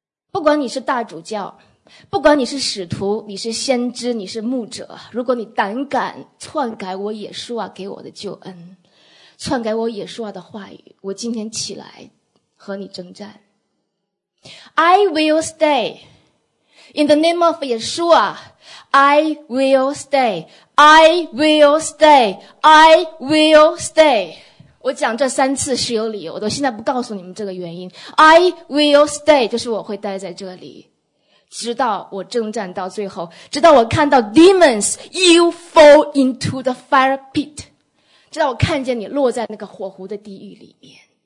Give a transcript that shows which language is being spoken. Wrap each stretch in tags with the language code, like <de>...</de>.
<zh>不管你是大主教，不管你是使徒，你是先知，你是牧者，如果你胆敢篡改我耶稣啊给我的救恩，篡改我耶稣啊的话语，我今天起来和你征战。</zh> <en>I will stay in the name of Yeshua, I will stay, I will stay, I will stay。</en> <zh>我讲这三次是有理由，我现在不告诉你们这个原因。</zh> <en>I will stay</en> <zh>就是我会待在这里，直到我征战到最后，直到我看到</zh> <en>demons you fall into the fire pit，</en> <zh>直到我看见你落在那个火湖的地狱里面。</zh>